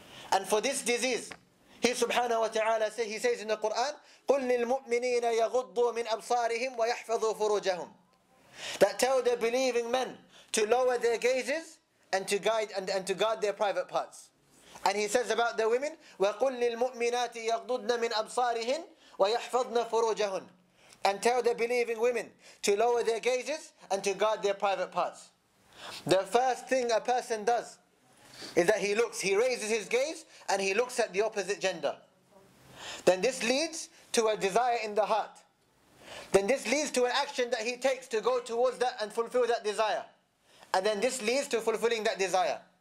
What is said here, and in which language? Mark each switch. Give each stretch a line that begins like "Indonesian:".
English: And for this disease, he subhanahu wa ta'ala say, he says in the Quran,
Arabic: قُلْ لِلْمُؤْمِنِينَ يَغُضُّوا مِنْ أَبْصَارِهِمْ وَيَحْفَظُوا فُرُوجَهُمْ.
English: That tell the believing men to lower their gazes and to guide and to guard their private parts. And he says about the women,
Arabic: وَقُلْ لِلْمُؤْمِنَاتِ يَغْضُضْنَ مِنْ أَبْصَارِهِنْ وَيَحْفَظْنَ فُرُوجَهُنْ.
English: And tell the believing women to lower their gazes and to guard their private parts. The first thing a person does is that he looks, he raises his gaze and he looks at the opposite gender. Then this leads to a desire in the heart. Then this leads to an action that he takes to go towards that and fulfill that desire. And then this leads to fulfilling that desire.